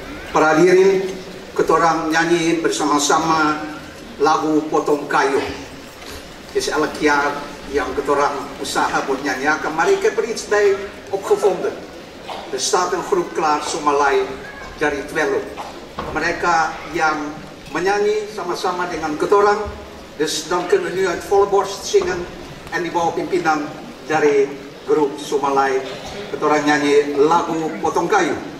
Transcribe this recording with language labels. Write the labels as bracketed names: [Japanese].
[Indonesian] Para hadirin, ketorang nyanyi bersama-sama lagu Potong Kayu. Ini adalah kiat yang ketorang usaha buat nyanyi. [Dutch] Kemarin ik heb er iets bij opgevonden. Er staat een groep klaar, Somalai dari Twello. [Indonesian] Mereka yang menyanyi sama-sama dengan ketorang. [Dutch] Dus dan kunnen we nu uit volle borst zingen. [Indonesian] En di bawah pimpinan dari grup Somalai, ketorang nyanyi lagu Potong Kayu.